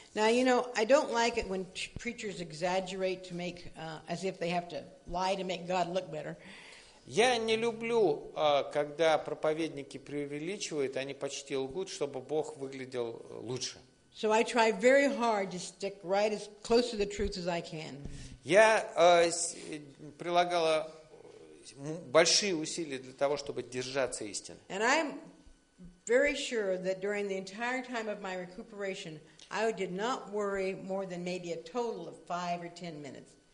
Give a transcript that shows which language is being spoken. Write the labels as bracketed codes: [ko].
[en] Now you know I don't like it when preachers exaggerate to make as if they have to lie to make God look better. [ru] Я не люблю, когда проповедники преувеличивают, они почти лгут, чтобы Бог выглядел лучше. [en] So I try very hard to stick right as close to the truth as I can. [ru] Я прилагала большие усилия для того, чтобы держаться истины. [en] And I'm very sure that during the entire time of my recuperation, I did not worry more than maybe a total of 5 or 10 minutes.